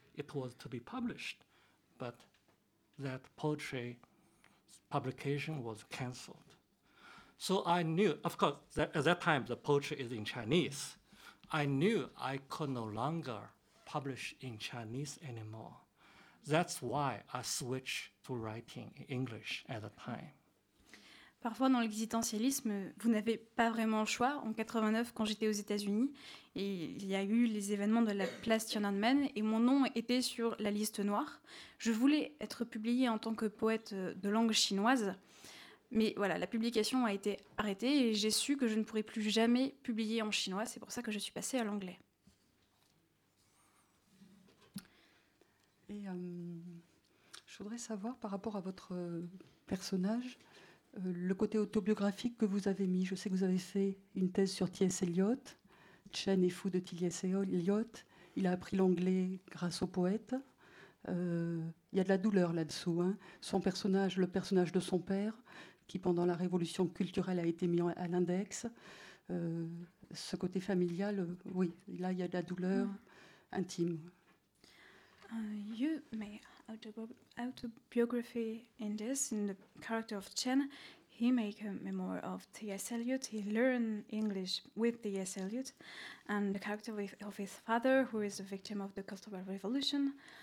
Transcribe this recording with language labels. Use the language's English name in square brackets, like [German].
[English] It was to be published, but that poetry publication was canceled. So I knew, of course, that at that time the poetry is in Chinese. I knew I could no longer publish in Chinese anymore. That's why I switched to writing in English at the time. [French] Parfois, dans l'existentialisme, vous n'avez pas vraiment le choix. En 89, quand j'étais aux États-Unis, et il y a eu les événements de la place Tiananmen, et mon nom était sur la liste noire. Je voulais être publiée en tant que poète de langue chinoise, mais voilà, la publication a été arrêtée, et j'ai su que je ne pourrais plus jamais publier en chinois. C'est pour ça que je suis passée à l'anglais. Et je voudrais savoir, par rapport à votre personnage, le côté autobiographique que vous avez mis. Je sais que vous avez fait une thèse sur T.S. Eliot. Chen est fou de T.S. Eliot. Il a appris l'anglais grâce au poète. Il y a de la douleur là-dessous. Hein. Son personnage, le personnage de son père, qui pendant la révolution culturelle a été mis à l'index. Ce côté familial, oui, là il y a de la douleur intime. [English] You may... autobiography in this, in the character of Chen, he make a memoir of T.S. Eliot. He learned English with T.S. Eliot and the character of his father, who is a victim of the Cultural Revolution.